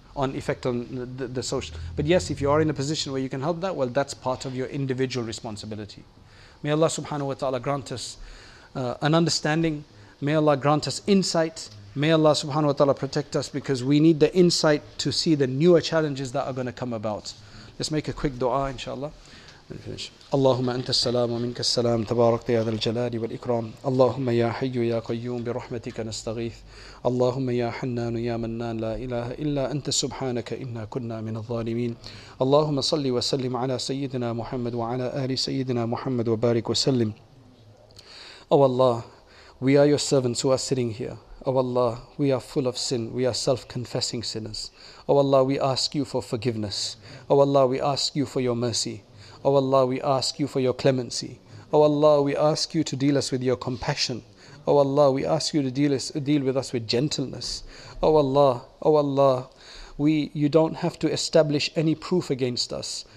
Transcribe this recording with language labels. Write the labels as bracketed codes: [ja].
[en] On effect on the social. But yes, if you are in a position where you can help that, well, that's part of your individual responsibility. May Allah subhanahu wa ta'ala grant us an understanding. May Allah grant us insight. May Allah subhanahu wa ta'ala protect us, because we need the insight to see the newer challenges that are going to come about. Let's make a quick dua, inshallah. [ar] اللهم أنت السلام ومنك السلام تبارك يا ذا الجلال والإكرام اللهم يا حي يا قيوم برحمتك نستغيث اللهم يا حنان يا منان لا إله إلا أنت سبحانك إنا كنا من الظالمين اللهم صل وسلم على سيدنا محمد وعلى آل سيدنا محمد وبارك وسلم أو الله [en] we are your servants who are sitting here. Oh Allah, we are full of sin. We are self-confessing sinners. Oh Allah, we ask you for forgiveness. Oh Allah, we ask you for your mercy. Oh Allah, we ask you for your clemency. Oh Allah, we ask you to deal us with your compassion. Oh Allah, we ask you to deal with us with gentleness. Oh Allah, you don't have to establish any proof against us.